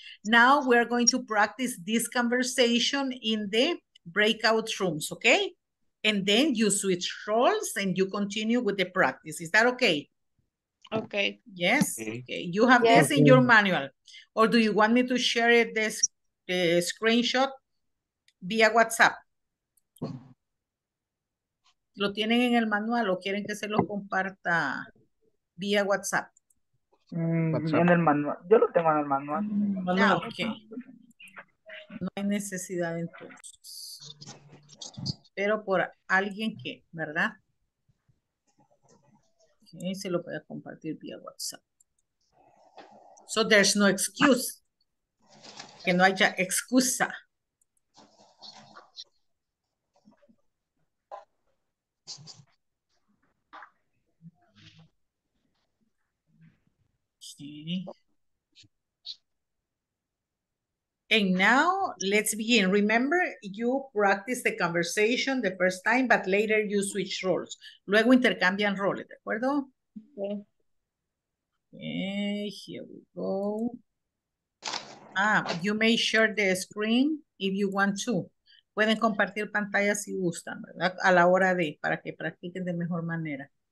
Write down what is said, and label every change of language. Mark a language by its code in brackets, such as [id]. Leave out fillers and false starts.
[en] Now we are going to practice this conversation in the breakout rooms, okay? And then you switch roles and you continue with the practice. Is that okay? Okay. Yes. Okay. You have this in your manual. Or do you want me to share it this screenshot via WhatsApp? [es] ¿Lo tienen en el manual o quieren que se lo comparta vía WhatsApp? En el manual. Yo lo tengo en el manual. No hay necesidad entonces. Pero por alguien que, ¿verdad? Okay, se lo puede compartir vía WhatsApp. [en] So there's no excuse. [es] Que no haya excusa. [en] Okay. And now let's begin. Remember, you practice the conversation the first time, but later you switch roles. [es] Luego intercambian roles, ¿de acuerdo? [en] Okay. Okay, here we go. Ah, you may share the screen if you want to. [es] Pueden compartir pantalla si gustan, ¿verdad? A la hora de, para que practiquen de mejor manera.